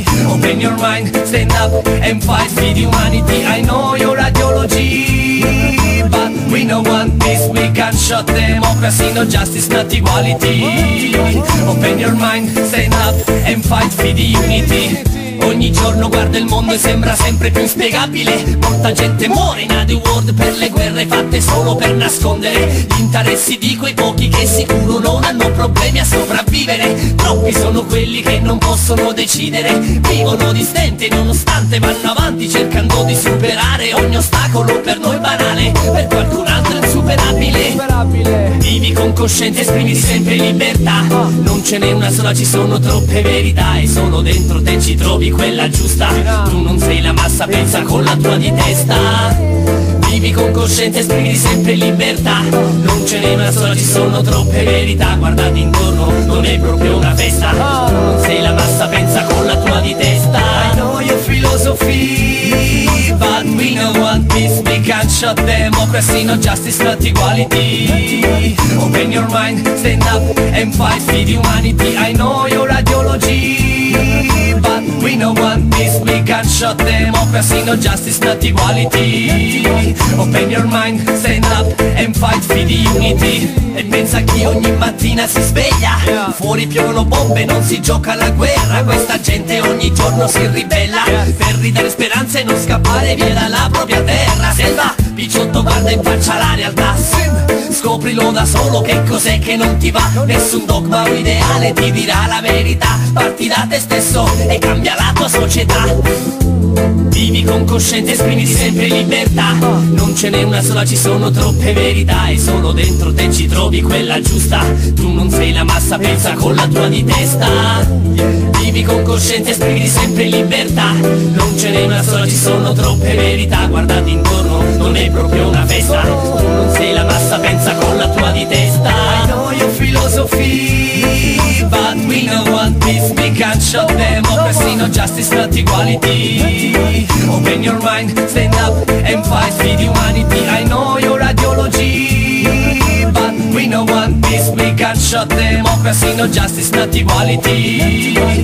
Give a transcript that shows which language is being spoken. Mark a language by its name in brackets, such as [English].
[English] Open your mind, stand up and fight for the humanity. I know your ideology, but we know one peace, big gunshot, democracy, no justice, not equality. Open your mind, stand up and fight for the unity. [Italian] Ogni giorno guarda il mondo e sembra sempre più inspiegabile. Molta gente muore [English] in other world [Italian] per le guerre fatte solo per nascondere gli interessi di quei pochi che sicuro non hanno problemi a sopravvivere. Troppi sono quelli che non possono decidere, vivono di stente nonostante vanno avanti cercando di superare ogni ostacolo per noi banale, per qualcun altro insuperabile. Vivi con coscienza, esprimi sempre libertà. Non ce n'è una sola, ci sono troppe verità e solo dentro te ci trovi quella giusta. Tu non sei la massa, pensa con la tua di testa. Vivi con coscienza, esprimi sempre libertà. Non ce n'è una sola, ci sono troppe verità. Guardati intorno, non è proprio una festa. Tu non sei la massa, pensa con la tua di testa. [English] I know your philosophy, but we know one peace, big gunshot, democracy, no justice, not equality. Open your mind, stand up and fight for the humanity. I know your ideology, but we know one peace, we can't shut democracy, no justice, not equality. Open your mind, stand up and fight for the unity. [Italian] E pensa a chi ogni mattina si sveglia, fuori piovono bombe, non si gioca la guerra. Questa gente ogni giorno si ribella per ridare speranza e non scappare via dalla propria terra. Selva, picciotto, guarda in faccia la realtà, scoprilo da solo che cos'è che non ti va. Nessun dogma o ideale ti dirà la verità. Parti da te stesso e cambia la tua società. Vivi con coscienza, esprimi sempre libertà. Non ce n'è una sola, ci sono troppe verità e solo dentro te ci trovi quella giusta. Tu non sei la massa, pensa con la tua di testa. Vivi con coscienza, esprimi sempre libertà. Non ce n'è una sola, ci sono troppe verità. Guardati intorno, non è proprio una festa. Tu non sei la massa, pensa con la tua di testa. [English] I know your philosophy, but we know one peace, big gunshot, democracy, no justice, not equality. Open your mind, stand up and fight for the humanity. I know your ideology, but we know one peace, big gunshot, democracy, no justice, not equality.